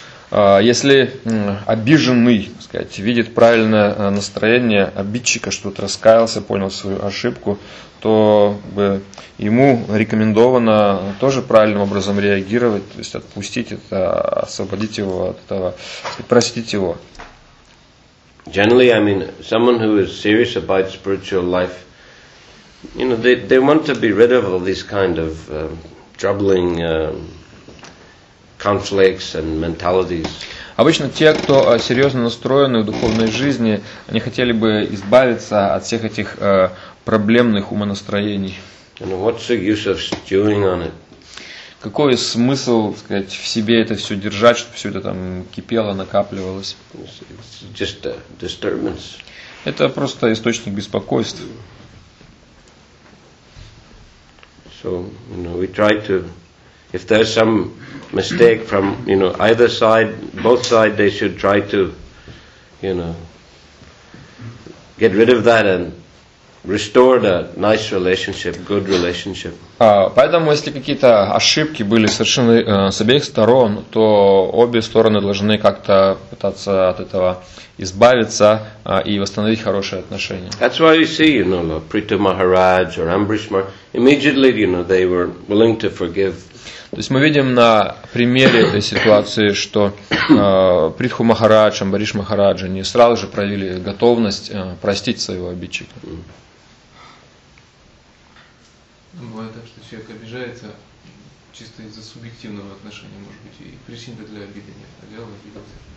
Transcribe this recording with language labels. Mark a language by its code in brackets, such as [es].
[ru] Если обиженный, так сказать, видит правильное настроение обидчика, что-то раскаялся, понял свою ошибку, то бы ему рекомендовано тоже правильным образом реагировать, то есть отпустить это, освободить его от этого, простить его. [en] Generally, I mean, someone who is serious about spiritual life, you know, they want to be rid of all these kind of troubling conflicts and mentalities. [ru] Обычно те, кто серьезно настроены в духовной жизни, они хотели бы избавиться от всех этих проблемных умонастроений. [en] And what's the use of stewing on it? [ru] Какой смысл, так сказать, в себе это все держать, чтобы все это там кипело, накапливалось? [en] It's just a disturbance. [ru] Это просто источник беспокойств. [en] So, you know, we try to. If there's some mistake from, you know, either side, both sides, they should try to, you know, get rid of that and restore the nice relationship, good relationship. [ru] Поэтому, если какие-то ошибки были совершены с обеих сторон, то обе стороны должны как-то пытаться от этого избавиться и восстановить хорошие отношения. [en] That's why you see, you know, Prita Maharaj or Ambarish Maharaj, immediately, you know, they were willing to forgive. [ru] То есть мы видим на примере этой ситуации, что Притху Махарадж, Амбариш Махарадж, они сразу же проявили готовность простить своего обидчика. Бывает так, что человек обижается чисто из-за субъективного отношения, может быть, и причины для обиды нет, а делал обидеться.